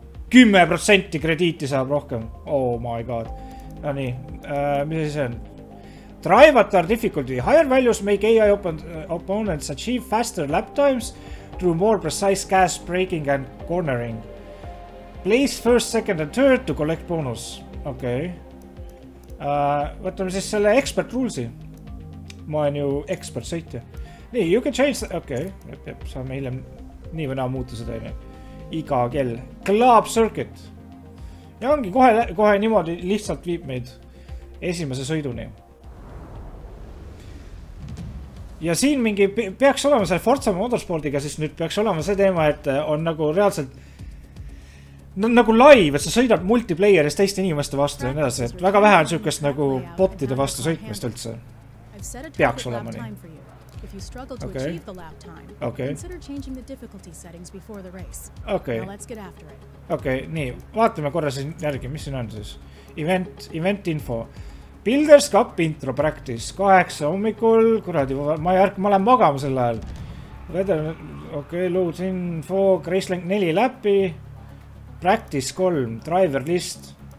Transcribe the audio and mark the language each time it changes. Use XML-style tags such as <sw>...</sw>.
<et>10% krediiti saab rohkem.</et> <en>Oh my god.</en> <et>No nii, mis see on?</et> <en>Driver difficulty. Higher values make AI opponents achieve faster lap times through more precise gas braking and cornering. Place first, second and third to collect bonus.</en> <et>Okei. Võtame siis selle expert rulesi. Ma olen ju expert sõitja. Nii,</et> <en>you can change...</en> <et>Okei, saame hiljem nii või naa muuta seda. Iga kell. Club circuit. Ja ongi kohe niimoodi lihtsalt viib meid esimese sõiduni. Ja siin mingi peaks olema selle Forza Motorsportiga, siis nüüd peaks olema see teema, et on nagu reaalselt nagu live, et sa sõidad multiplayeris teiste inimeste vastu ja nedasi. Väga vähe on siukest nagu bottide vastu sõitmist üldse. Peaks olema nii.</et> <en>If you struggle to achieve the lap time, consider changing the difficulty settings before the race. Okay. Now let's get after it. Okay, nii.</en> <et>Vaatame korra siin järgi, mis siin on siis. Event info. Builders Cup intro practice. 8 hommikul. Kuradi, ma lähen magama selle ajal.</et> <en>Okay, load info. Graceling 4 läpi. Practice 3. Driver list.</en>